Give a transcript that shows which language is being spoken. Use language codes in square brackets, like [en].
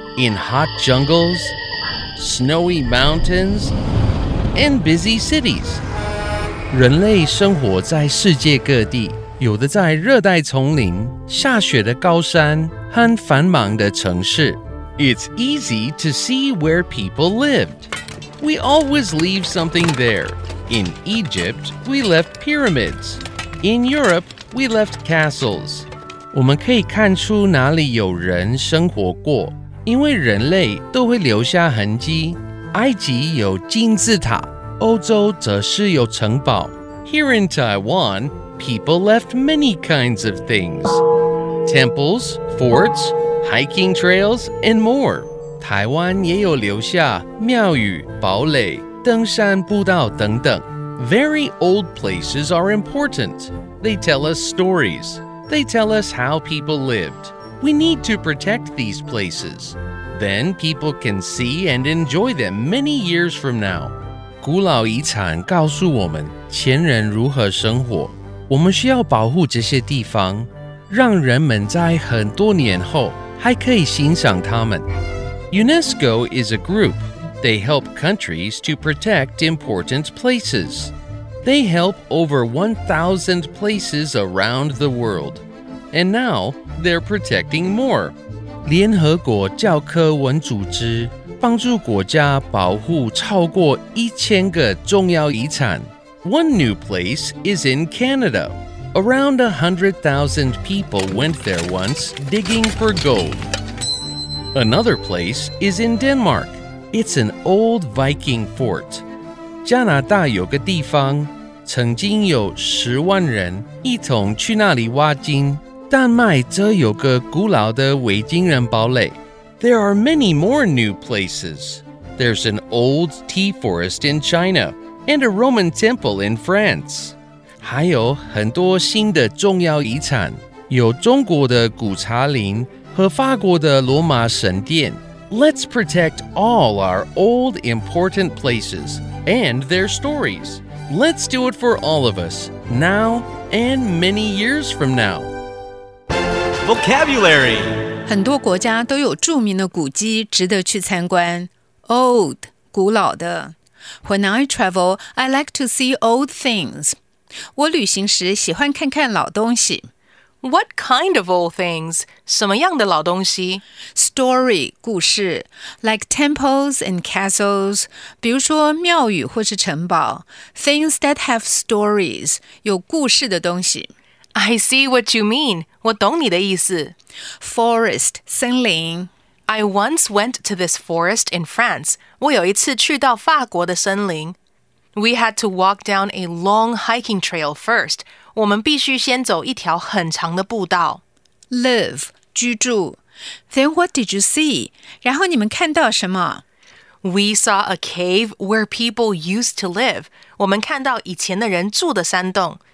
[en] In hot jungles, snowy mountains, and busy cities. [zh] 人类生活在世界各地，有的在热带丛林、下雪的高山和繁忙的城市。 [en] It's easy to see where people lived. We always leave something there. In Egypt, we left pyramids. In Europe, we left castles. [zh] 我们可以看出哪里有人生活过，因为人类都会留下痕迹。埃及有金字塔。歐洲則是有城堡。 [en] Here in Taiwan, people left many kinds of things. Temples, forts, hiking trails, and more. [zh] 台灣也有留下廟宇、堡壘、登山步道等等。 [en] Very old places are important. They tell us stories. They tell us how people lived. We need to protect these places. Then people can see and enjoy them many years from now. [zh] 古老遺產告訴我們前人如何生活，我們需要保護這些地方，讓人們在很多年後還可以欣賞它們。 [en] UNESCO is a group. They help countries to protect important places. They help over 1,000 places around the world. And now, they're protecting more. [zh] 聯合國教科文組織帮助国家保护超过1000个重要遗产。 [en] One new place is in Canada. Around 100,000 people went there once, digging for gold. Another place is in Denmark. It's an old Viking fort. [zh] 加拿大有个地方，曾经有10万人一同去那里挖金。丹麦则有个古老的维京人堡垒。 [en] There are many more new places. There's an old tea forest in China and a Roman temple in France. [zh] 还有很多新的重要遗产，有中国的古茶林和法国的罗马神殿。 [en] Let's protect all our old important places and their stories. Let's do it for all of us, now and many years from now. Vocabulary. [zh] 很多国家都有著名的古迹值得去参观。 [en] Old, [zh] 古老的。 [en] When I travel, I like to see old things. [zh] 我旅行时喜欢看看老东西。 [en] What kind of old things? [zh] 什么样的老东西? [en] Story, [zh] 故事。 [en] Like temples and castles, [zh] 比如说庙宇或是城堡。 [en] Things that have stories, [zh] 有故事的东西。 [en] I see what you mean. [zh] 我懂你的意思。 [en] Forest, [zh] 森林。 [en] I once went to this forest in France. [zh] 我有一次去到法国的森林。 [en] We had to walk down a long hiking trail first. [zh] 我们必须先走一条很长的步道。 [en] Live, [zh] 居住。 [en] Then what did you see? [zh] 然后你们看到什么? [en] We saw a cave where people used to live. [zh] 我们看到以前的人住的山洞。